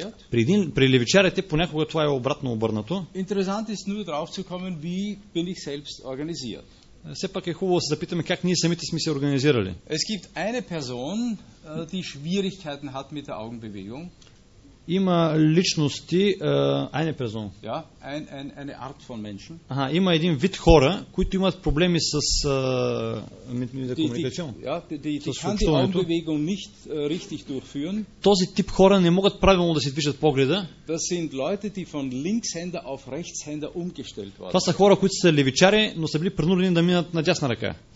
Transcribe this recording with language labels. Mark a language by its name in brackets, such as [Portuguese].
[Bulgarian] При левичарите понякога това е обратно обърнато. [German] Interessant ist nur drauf zu kommen, wie bin ich selbst organisiert. [Bulgarian] Все пак е хубаво да се запитаме как ние самите сме се организирали. [German] Es gibt eine Person, die Schwierigkeiten hat mit der Augenbewegung. [Bulgarian] Има личности, [German] eine Person. Ja, eine Art von Menschen. [Bulgarian] Aha, има един вид хора, които имат проблеми с комуникация. [German] Ja, die kann die Augenbewegung nicht richtig durchführen. [Bulgarian] Този тип хора не могат правилно да си движат погледа. [German] Das sind Leute, die von Linkshänder auf Rechtshänder umgestellt worden. [Bulgarian] Това са хора, които са левичари, но са били принудени да минат на дясна ръка.